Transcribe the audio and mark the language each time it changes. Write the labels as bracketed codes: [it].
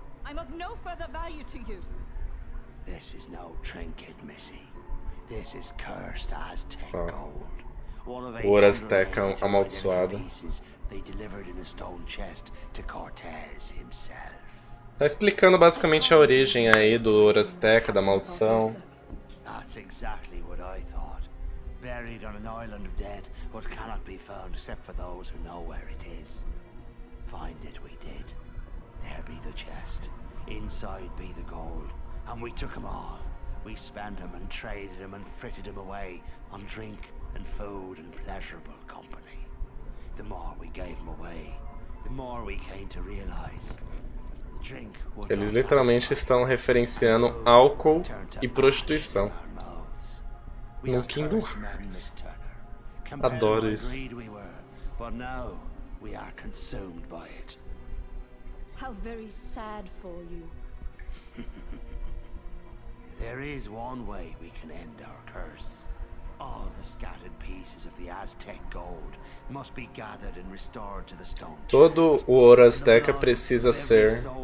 [en] I'm of no further value to you. This is no trinket, Missy. This is cursed Aztec gold. [pt] Ouro Azteca amaldiçoado. [en] They delivered in a stone chest to Cortez himself. [pt] Tá explicando basicamente a origem aí do Ouro Azteca, da maldição. [en] That's exactly what I thought. Buried on an island of dead, what cannot be found except for those who know where it is. Find it we did. There be the chest, inside be the gold, and we took them all. We spent them and traded them and fritted them away on drink and food and pleasurable company. The more we gave them away, the more we came to realize the drink was. [pt] Eles literalmente estão referenciando álcool e prostituição. No Kingdom Hearts. Adoro isso. [en] But now we are consumed by it. How very sad for you. There is one way we can end our curse. All the scattered pieces of the Aztec gold must be gathered and restored to the stone chest. [pt] Todo o ouro azteca precisa ser.